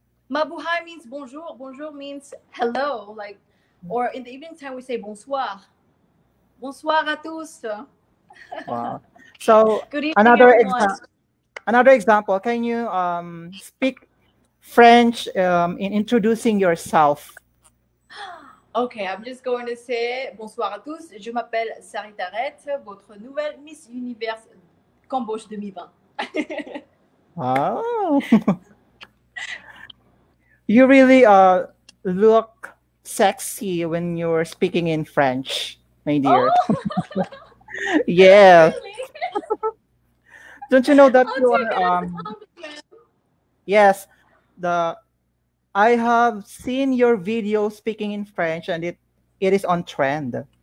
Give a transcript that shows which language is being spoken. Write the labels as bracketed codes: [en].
[en] Mabuhay means bonjour. Bonjour means hello. Like, or in the evening time, we say bonsoir. [fr] Bonsoir à tous. [en] Wow. So another example. Another example, can you speak French in introducing yourself? Okay, I'm just going to say [fr] bonsoir à tous. Je m'appelle Sarita Rett, votre nouvelle Miss Universe Cambodia 2020. Oh. [en] You really look sexy when you're speaking in French, my dear. Oh. Yeah. Really? Don't you know that I'll you are, yes, I have seen your video speaking in French and it is on trend.